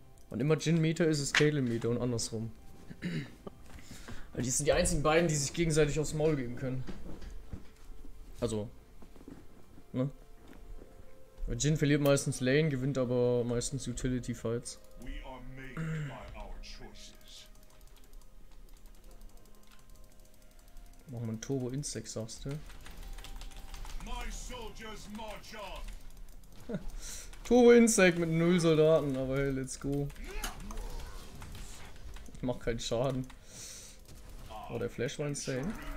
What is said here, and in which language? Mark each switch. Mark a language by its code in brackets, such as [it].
[de] Und immer Jhin-Meter ist es Caitlyn-Meter und andersrum. Weil die sind die einzigen beiden, die sich gegenseitig aufs Maul geben können. Also. Ne? Weil Jhin verliert meistens Lane, gewinnt aber meistens Utility-Fights. [en] We are made by our choices. [de] Machen wir einen Turbo-Insect, sagst du? [en] My soldiers march on. [de] Turbo Insect mit 0 Soldaten, aber hey, [en] let's go. [de] Ich mach keinen Schaden. Oh, der Flash war insane.